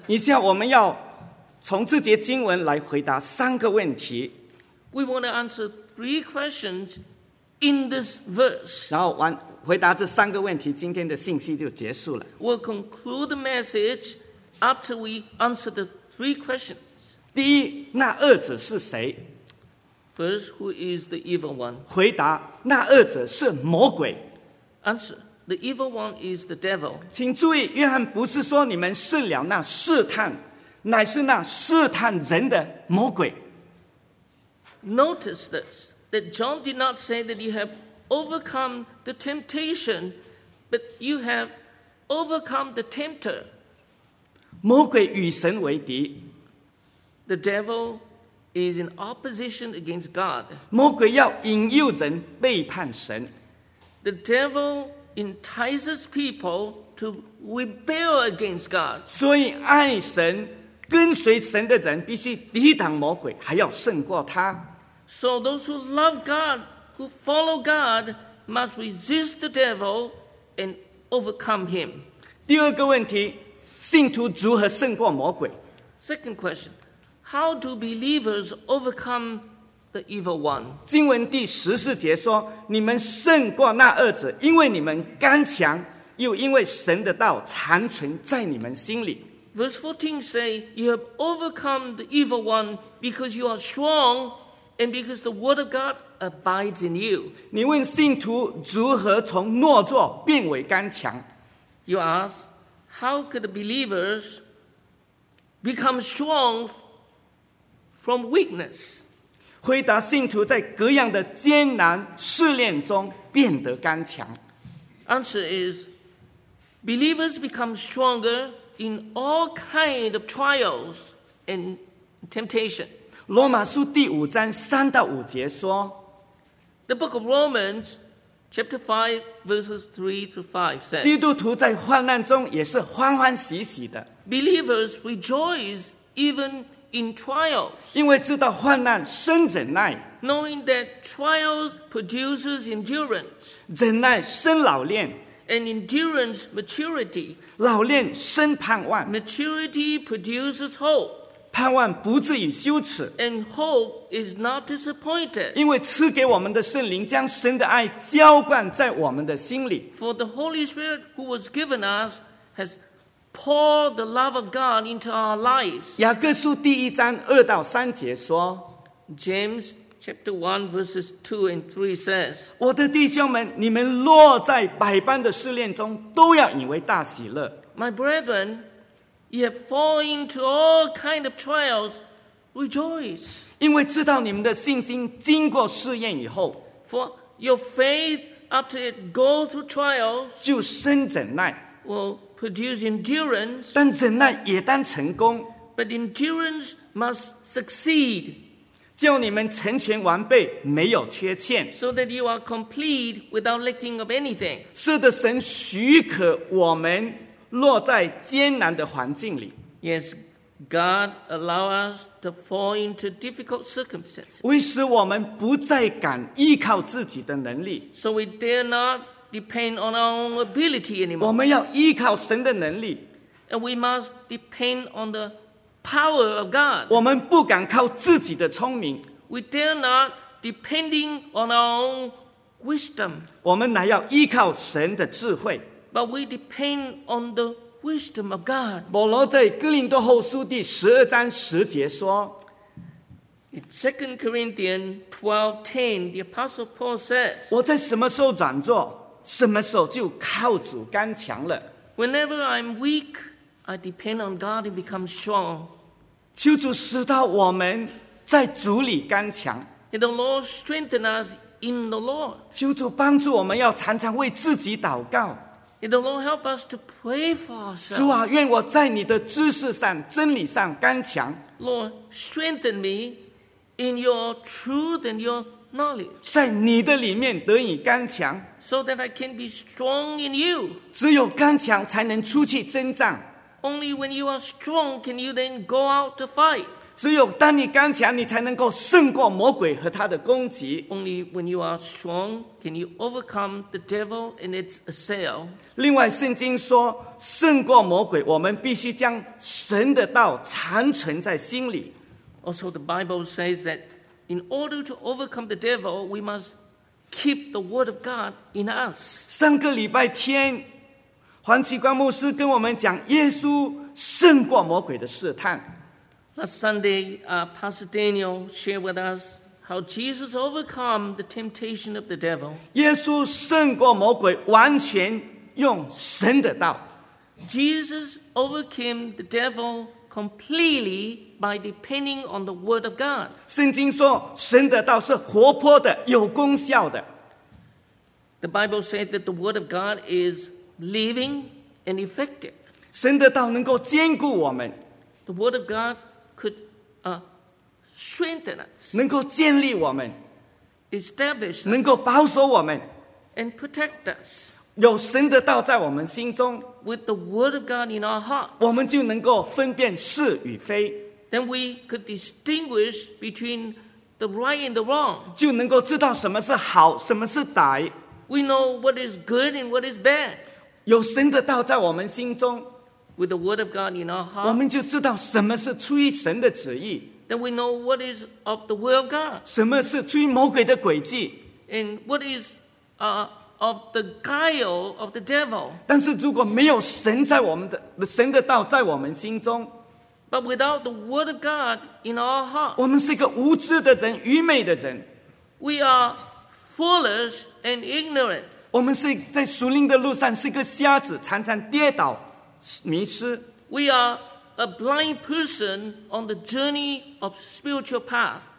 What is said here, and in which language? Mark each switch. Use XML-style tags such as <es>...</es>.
<zh>以下我们要从这节经文来回答三个问题。</zh> <en>We want to answer three questions in this verse.</en> <zh>然后回答这三个问题，今天的信息就结束了。</zh> <en>We'll conclude the message after we answer the three questions.</en> <zh>第一，那恶者是谁？</zh> <en>First, who is the evil one?</en> <zh>回答，那恶者是魔鬼。</zh> <en>Answer, the evil one is the devil.</en> <zh>请注意，约翰不是说你们胜了那试探。乃是那试探人的魔鬼。</zh> <en>Notice this, that John did not say that you have overcome the temptation, but you have overcome the tempter.</en> <zh>魔鬼与神为敌。</zh> <en>The devil is in opposition against God.</en> <zh>魔鬼要引诱人背叛神。</zh> <en>The devil entices people to rebel against God.</en> <zh>所以爱神跟随神的人必须抵挡魔鬼，还要胜过他。</zh> <en>So those who love God, who follow God, must resist the devil and overcome him.</en> <zh>第二个问题，信徒如何胜过魔鬼？</zh> <en>Second question, how do believers overcome the evil one?</en> <zh>经文第十四节说，你们胜过那恶者，因为你们刚强，又因为神的道长存在你们心里。</zh> <en>Verse 14 say, you have overcome the evil one because you are strong and because the word of God abides in you.</en> <zh>你问信徒如何从懦弱变为刚强？</zh> <en>You ask, how could believers become strong from weakness?</en> <zh>回答信徒在各样的艰难试炼中变得刚强。</zh> <en>Answer is, believers become stronger in all kinds of trials and temptation.</en> <zh>罗马书第五章三到五节说，</zh> <en>The book of Romans, chapter 5, verses 3-5 says,</en> <zh>基督徒在患难中也是欢欢喜喜的。</zh> <en>Believers rejoice even in trials.</en> <zh>因为知道患难生忍耐。</zh> <en>Knowing that trials produces endurance.</en> <zh>忍耐生老练。</zh> <en>And endurance, maturity.</en> <zh>老练生盼望。</zh> <en>Maturity produces hope.</en> <zh>盼望不至于羞耻。</zh> <en>And hope is not disappointed.</en> <zh>因为赐给我们的圣灵将神的爱浇灌在我们的心里。</zh> <en>For the Holy Spirit who was given us has poured the love of God into our lives.</en> <zh>雅各书第一章二到三节说，</zh> <en>James Chapter 1, verses 2 and 3 says,</en> <zh>我的弟兄们，你们落在百般的试炼中，都要以为大喜乐。</zh> <en>My brethren, you have fallen into all kinds of trials, rejoice.</en> <zh>因为知道你们的信心经过试验以后，</zh> <en>For your faith, after it goes through trials,</en> <zh>就生忍耐，</zh> <en>will produce endurance.</en> <zh>但忍耐也当成功，</zh> <en>But endurance must succeed.</en> <zh>叫你们成全完备，没有缺欠。</zh> <en>So that you are complete without lacking of anything.</en> <zh>是的，神许可我们落在艰难的环境里。</zh> <en>Yes, God allow us to fall into difficult circumstances.</en> <zh>为使我们不再敢依靠自己的能力。</zh> <en>So we dare not depend on our own ability anymore.</en> <zh>我们要依靠神的能力。</zh> <en>And we must depend on the power of God.</en> <zh>我们不敢靠自己的聪明。</zh> <en>We dare not depending on our own wisdom.</en> <zh>我们乃要依靠神的智慧。</zh> <en>But we depend on the wisdom of God.</en> <zh>保罗在哥林多后书第十二章十节说，</zh> <en>In 2 Corinthians 12:10, the Apostle Paul says,</en> <zh>我在什么时候软弱，什么时候就靠主刚强了。</zh> <en>Whenever I'm weak,I depend on God and become strong.</en> <zh>求主使到我们在主里刚强。</zh> <en>And the Lord strengthen us in the Lord.</en> <zh>求主帮助我们要常常为自己祷告。</zh> <en>And the Lord help us to pray for ourselves.</en> <zh>主啊，愿我在你的知识上、真理上刚强。</zh> <en>Lord, strengthen me in your truth and your knowledge.</en> <zh>在你的里面得以刚强。</zh> <en>So that I can be strong in you.</en> <zh>只有刚强才能出去征战。</zh> <en>Only when you are strong can you then go out to fight.</en> <zh>只有当你刚强，你才能够胜过魔鬼和他的攻击。</zh> <en>Only when you are strong can you overcome the devil and its assail.</en> <zh>另外，圣经说，胜过魔鬼，我们必须将神的道长存在心里。</zh> <en>Also, the Bible says that in order to overcome the devil, we must keep the word of God in us.</en> <zh>上个礼拜天，黄启光牧师跟我们讲耶稣胜过魔鬼的试探。</zh> <en>Last Sunday, Pastor Daniel shared with us how Jesus overcome the temptation of the devil.</en> <zh>耶稣胜过魔鬼，完全用神的道。</zh> <en>Jesus overcame the devil completely by depending on the word of God.</en> <zh>圣经说，神的道是活泼的，有功效的。</zh> <en>The Bible said that the word of God is living and effective.</en> <zh>神的道能够坚固我们。</zh> <en>The word of God could strengthen us.</en> <zh>能够建立我们。</zh> <en>Establish us.</en> <zh>能够保守我们。</zh> <en>And protect us.</en> <zh>有神的道在我们心中。</zh> <en>With the word of God in our hearts.</en> <zh>我们就能够分辨是与非。</zh> <en>Then we could distinguish between the right and the wrong.</en> <zh>就能够知道什么是好，什么是歹。</zh> <en>We know what is good and what is bad.</en> <zh>有神的道在我们心中。</zh> <en>With the word of God in our heart.</en> <zh>我们就知道什么是出于神的旨意。</zh> <en>Then we know what is of the will of God.</en> <zh>什么是出于魔鬼的诡计。</zh> <en>And what is of the guile of the devil.</en> <zh>但是如果没有神在我们的神的道在我们心中。</zh> <en>But without the word of God in our heart.</en> <zh>我们是一个无知的人，愚昧的人。</zh> <en>We are foolish and ignorant.</en> <zh>我们是在属灵的路上是个瞎子，常常跌倒迷失。</zh> <en>We are a blind person on the journey of spiritual path.</en>